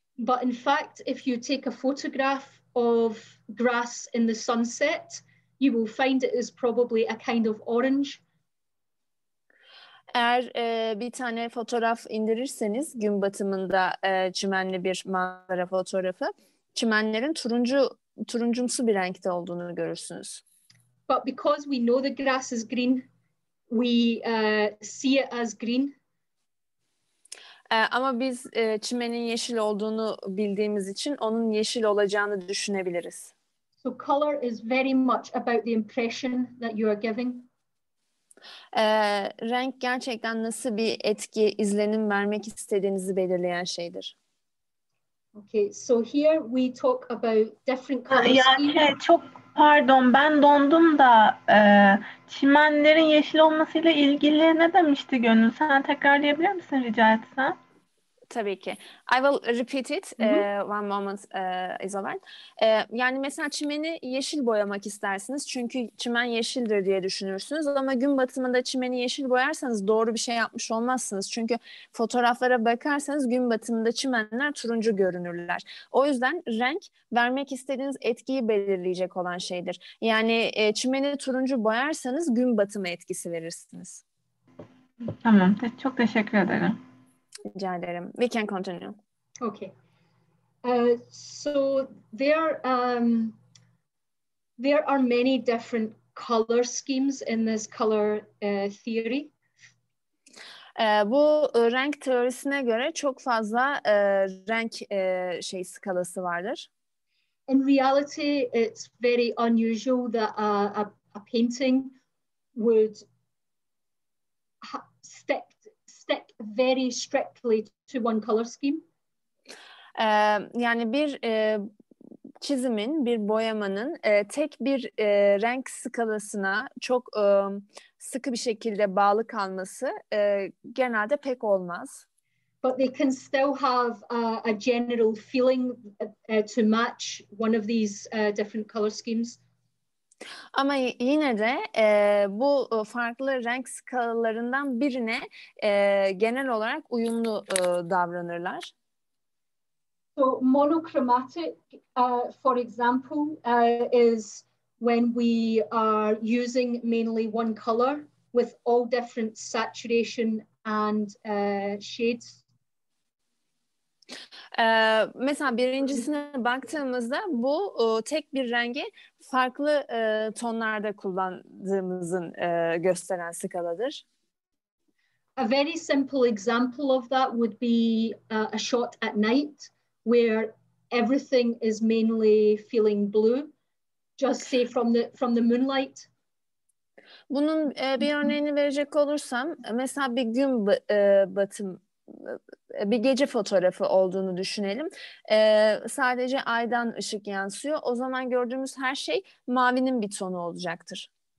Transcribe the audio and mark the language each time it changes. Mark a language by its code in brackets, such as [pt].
[en] But in fact, if you take a photograph of grass in the sunset, you will find it is probably a kind of orange. [tr] Eğer bir tane fotoğraf indirirseniz gün batımında çimenli bir manzara fotoğrafı, çimenlerin turuncumsu bir renkte olduğunu görürsünüz. [en] But because we know the grass is green, we see it as green. [tr] Ama biz çimenin yeşil olduğunu bildiğimiz için onun yeşil olacağını düşünebiliriz. [en] So color is very much about the impression that you are giving. [tr] Renk gerçekten nasıl bir etki, izlenim vermek istediğinizi belirleyen şeydir. [en] Okay, so here we talk about different colors. [tr] Ya şey, çok pardon, ben dondum da çimenlerin yeşil olmasıyla ilgili ne demişti Gönül? Sen tekrarlayabilir misin rica etsem? Tabii ki. [en] I will repeat it. One moment, Isabel. [tr] Yani mesela çimeni yeşil boyamak istersiniz. Çünkü çimen yeşildir diye düşünürsünüz. Ama gün batımında çimeni yeşil boyarsanız doğru bir şey yapmış olmazsınız. Çünkü fotoğraflara bakarsanız gün batımında çimenler turuncu görünürler. O yüzden renk vermek istediğiniz etkiyi belirleyecek olan şeydir. Yani çimeni turuncu boyarsanız gün batımı etkisi verirsiniz. Tamam. Çok teşekkür ederim. Rica ederim. [en] We can continue. Okay. So there are many different color schemes in this color theory. [tr] Bu renk teorisine göre çok fazla renk şey skalası vardır. [en] In reality, it's very unusual that a painting would stick very strictly to one color scheme. [tr] Yani bir çizimin, bir boyamanın tek bir renk skalasına çok sıkı bir şekilde bağlı kalması genelde pek olmaz. [en] But they can still have a general feeling to match one of these different color schemes. [tr] Ama yine de bu farklı renk skalalarından birine genel olarak uyumlu davranırlar. [en] So monochromatic, for example, is when we are using mainly one color with all different saturation and shades. [tr] Mesela birincisine baktığımızda bu tek bir rengi farklı tonlarda kullandığımızın gösteren skaladır. [en] A very simple example of that would be a shot at night where everything is mainly feeling blue, just say from the moonlight. [tr] Bunun bir örneğini verecek olursam mesela bir gün batım, bir gece fotoğrafı olduğunu düşünelim. Sadece aydan ışık yansıyor. O zaman gördüğümüz her şey mavinin bir tonu olacaktır.